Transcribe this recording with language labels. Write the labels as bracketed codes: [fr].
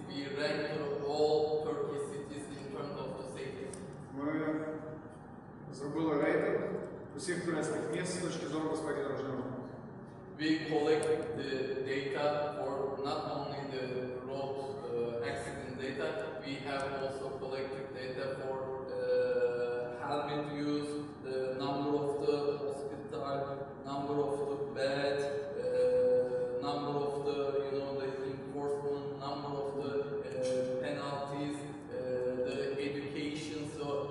[en] We rank all Turkey cities in terms of the safety. [uk] Зробили рейтинг усіх турецьких місць з точки зору безпеки дорожнього руху. [en] We collect the data for not only the road accident data, we have also collected data for helmet use, the number of the hospital, number of the bed, number of the, you know, the enforcement, number of the penalties, the education, so